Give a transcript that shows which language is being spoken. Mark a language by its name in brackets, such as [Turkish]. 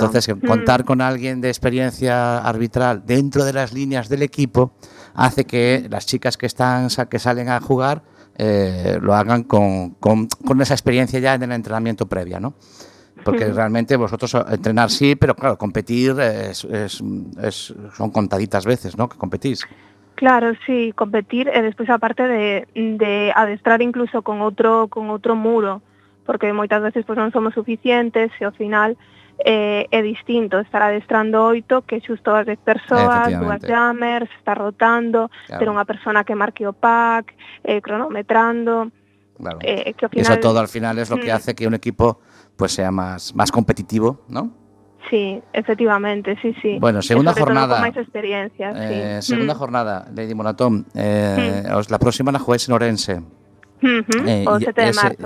[Spanish] Entonces, contar con alguien de experiencia arbitral dentro de las líneas del equipo hace que las chicas que salen a jugar lo hagan con esa experiencia ya en el entrenamiento previa, ¿no? Porque realmente vosotros entrenar sí, pero claro, competir son contaditas veces, ¿no?, que competís. [Galician] Claro, sí, [Spanish] competir después aparte de [Galician] adestrar incluso con otro muro, porque moitas veces pues non somos suficientes e ao final é distinto estar adestrando oito que xusto as 10 persoas, dúas jammers, estar rotando, claro, ter unha persona que marque o pack, cronometrando. [Spanish] Claro. Que ao final, eso todo al final es lo que hace que un equipo pues sea más competitivo, ¿no? Sí, efectivamente, sí, sí. Bueno, segunda jornada. Con más experiencia, sí. Segunda jornada, Lady Monatón. La próxima la jueves en Orense. [Galician] O 7 de marzo,